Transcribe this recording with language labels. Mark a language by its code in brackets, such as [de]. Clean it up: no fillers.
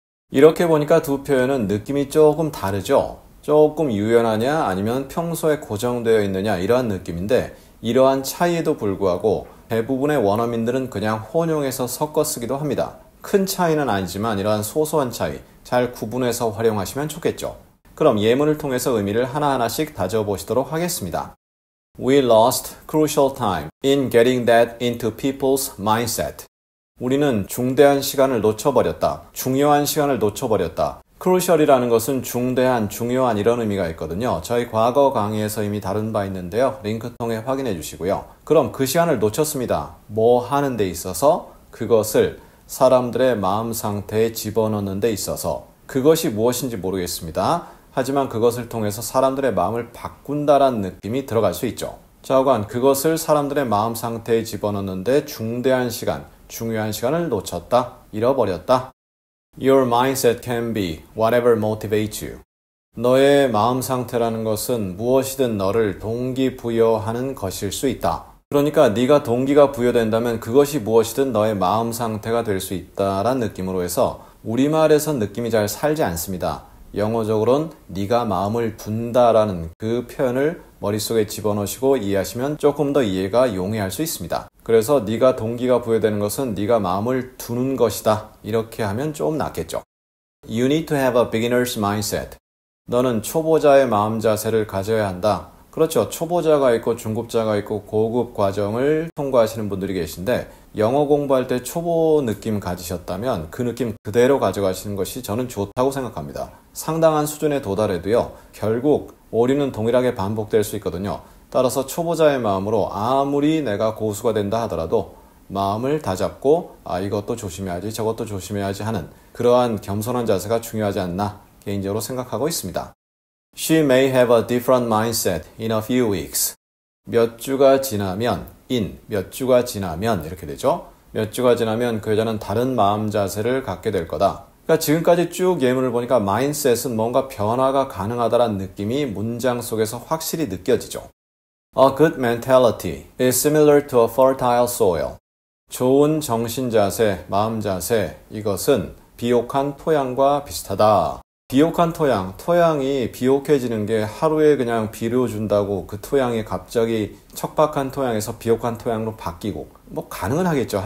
[ko] 이렇게 보니까 두 표현은 느낌이 조금 다르죠? 조금 유연하냐 아니면 평소에 고정되어 있느냐 이러한 느낌인데 이러한 차이에도 불구하고 대부분의 원어민들은 그냥 혼용해서 섞어 쓰기도 합니다. 큰 차이는 아니지만 이러한 소소한 차이 잘 구분해서 활용하시면 좋겠죠. 그럼 예문을 통해서 의미를 하나하나씩 다져보시도록 하겠습니다. [en] We lost crucial time in getting that into people's mindset. [ko] 우리는 중대한 시간을 놓쳐버렸다. 중요한 시간을 놓쳐버렸다. Crucial이라는 것은 중대한, 중요한 이런 의미가 있거든요. 저희 과거 강의에서 이미 다룬 바 있는데요. 링크 통해 확인해 주시고요. 그럼 그 시간을 놓쳤습니다. 뭐 하는 데 있어서 그것을 사람들의 마음 상태에 집어넣는 데 있어서 그것이 무엇인지 모르겠습니다. 하지만 그것을 통해서 사람들의 마음을 바꾼다라는 느낌이 들어갈 수 있죠. 좌우간 그것을 사람들의 마음 상태에 집어넣는데 중대한 시간, 중요한 시간을 놓쳤다, 잃어버렸다. [en] Your mindset can be whatever motivates you. [ko] 너의 마음 상태라는 것은 무엇이든 너를 동기부여하는 것일 수 있다. 그러니까 네가 동기가 부여된다면 그것이 무엇이든 너의 마음 상태가 될 수 있다라는 느낌으로 해서 우리말에서 느낌이 잘 살지 않습니다. 영어적으로는 네가 마음을 둔다라는 그 표현을 머릿속에 집어넣으시고 이해하시면 조금 더 이해가 용이할 수 있습니다. 그래서 네가 동기가 부여되는 것은 네가 마음을 두는 것이다. 이렇게 하면 좀 낫겠죠. [en] You need to have a beginner's mindset. [ko] 너는 초보자의 마음 자세를 가져야 한다. 그렇죠. 초보자가 있고 중급자가 있고 고급 과정을 통과하시는 분들이 계신데 영어 공부할 때 초보 느낌 가지셨다면 그 느낌 그대로 가져가시는 것이 저는 좋다고 생각합니다. 상당한 수준에 도달해도요. 결국 오류는 동일하게 반복될 수 있거든요. 따라서 초보자의 마음으로 아무리 내가 고수가 된다 하더라도 마음을 다잡고 아 이것도 조심해야지 저것도 조심해야지 하는 그러한 겸손한 자세가 중요하지 않나 개인적으로 생각하고 있습니다. [en] She may have a different mindset in a few weeks. [ko] 몇 주가 지나면, in, 몇 주가 지나면 이렇게 되죠. 몇 주가 지나면 그 여자는 다른 마음 자세를 갖게 될 거다. 그러니까 지금까지 쭉 예문을 보니까 mindset은 뭔가 변화가 가능하다는 느낌이 문장 속에서 확실히 느껴지죠. [en] A good mentality is similar to a fertile soil. [ko] 좋은 정신 자세, 마음 자세, 이것은 비옥한 토양과 비슷하다. 비옥한 토양, 토양이 비옥해지는 게 하루에 그냥 비료 준다고 그 토양이 갑자기 척박한 토양에서 비옥한 토양으로 바뀌고 뭐 가능은 하겠죠.